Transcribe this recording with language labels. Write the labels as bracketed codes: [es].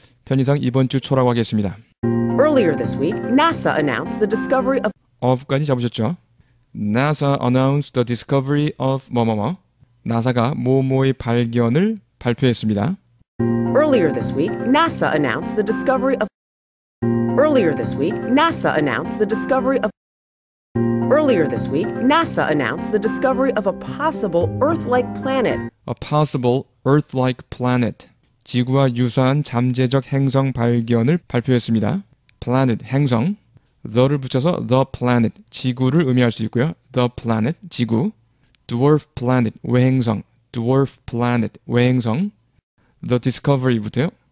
[ko] 편의상 이번 주 초라고 하겠습니다. [en] Earlier this week, NASA announced the discovery of [ko] of까지 잡으셨죠? [en] NASA announced the discovery of 뭐뭐뭐. [ko] NASA가 뭐뭐의 발견을 발표했습니다. [en] Earlier this week, NASA announced the discovery of Earlier this week, NASA announced the discovery of Earlier this week, NASA announced the discovery of a possible Earth-like planet. A possible Earth-like planet. [ko] 지구와 유사한 잠재적 행성 발견을 발표했습니다. Planet, 행성. The를 붙여서 [en] the planet, [ko] 지구를 의미할 수 있고요. [en] The planet, 지구. Dwarf planet, 외행성. Dwarf planet, 외행성. The discovery부터요.